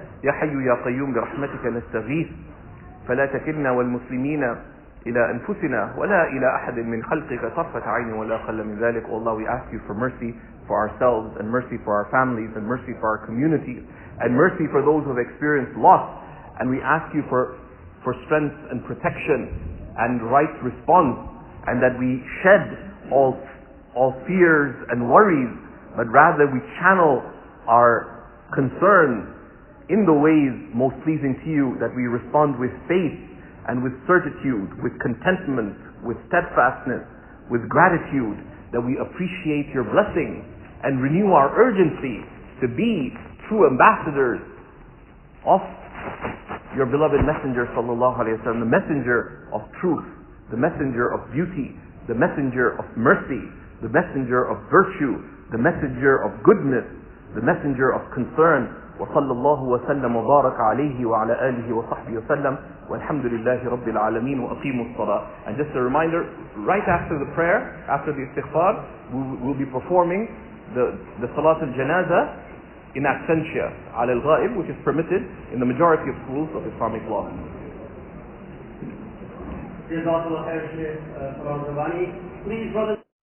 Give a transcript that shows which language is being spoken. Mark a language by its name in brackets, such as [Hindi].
[Arabic] يا حي يا قيوم برحمتك نستغيث. فلا تكلنا والمسلمين إلى أنفسنا ولا إلى أحد من خلقك طرفة عين ولا أقل من ذلك. [English] Oh Allah, we ask you for mercy for ourselves, and mercy for our families, and mercy for our communities, and mercy for those who have experienced loss. And we ask you for strength and protection and right response, and that we shed all fears and worries, but rather we channel our concerns in the ways most pleasing to you, that we respond with faith and with certitude, with contentment, with steadfastness, with gratitude, that we appreciate your blessing and renew our urgency to be true ambassadors of your beloved messenger sallallahu alayhi wa sallam, the messenger of truth, the messenger of beauty, the messenger of mercy, the messenger of virtue, the messenger of goodness, the messenger of concern. [Arabic] وصلى الله وسلم وبارك عليه وعلى آله وصحبه وسلم والحمد لله رب العالمين وأقيموا الصلاة. [English] And just a reminder, right after the prayer, after the istighfar, we will be performing the Salat al-Janaza in absentia [Arabic] على الغائب, [English] which is permitted in the majority of schools of Islamic law. Jazakallah khair, Shaykh Faraz Rabbani. Please, brother.